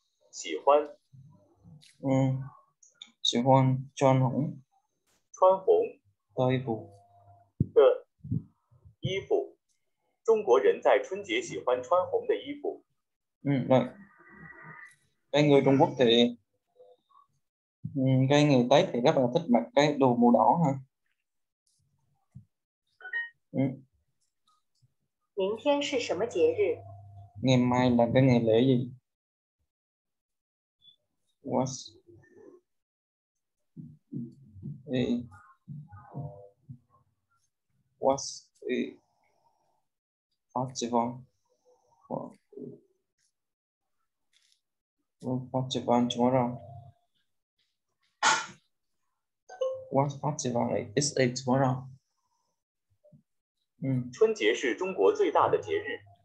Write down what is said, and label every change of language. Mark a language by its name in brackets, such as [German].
[Chinese] 喜欢喜欢穿红的衣服。中国人在春节喜欢穿红的衣服。 [Vietnamese] cái người Trung Quốc thì cái người Tết thì rất là thích mặc cái đồ màu đỏ ha. [Chinese] 明天是什么节日？ [Vietnamese] Ngày mai là cái ngày lễ gì? [English] What's a What's a festival? What festival tomorrow? What festival is it tomorrow? [Chinese] 春节是中国最大的节日。